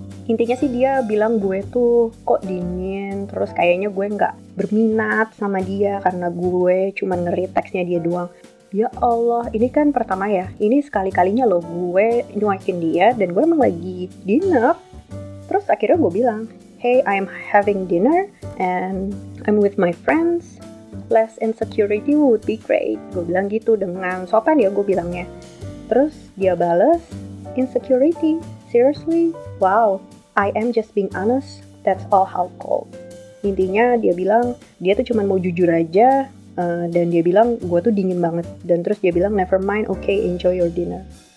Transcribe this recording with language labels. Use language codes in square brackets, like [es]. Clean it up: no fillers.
[id] Intinya sih dia bilang gue tuh kok dingin, terus kayaknya gue gak berminat sama dia karena gue cuma nge-read teksnya dia doang. Ya Allah, ini kan pertama ya, ini sekali-kalinya loh gue nyuakin dia dan gue emang lagi dinner. Terus akhirnya gue bilang, [en] "Hey, I'm having dinner and I'm with my friends. Less insecurity would be great." [id] Gue bilang gitu dengan sopan ya gue bilangnya. Terus dia balas, [en] "Insecurity? Seriously? Wow, I am just being honest. That's all how cold." [id] Intinya dia bilang, dia tuh cuma mau jujur aja. Dan dia bilang, gue tuh dingin banget. Dan terus dia bilang, [en] "Never mind, okay, enjoy your dinner."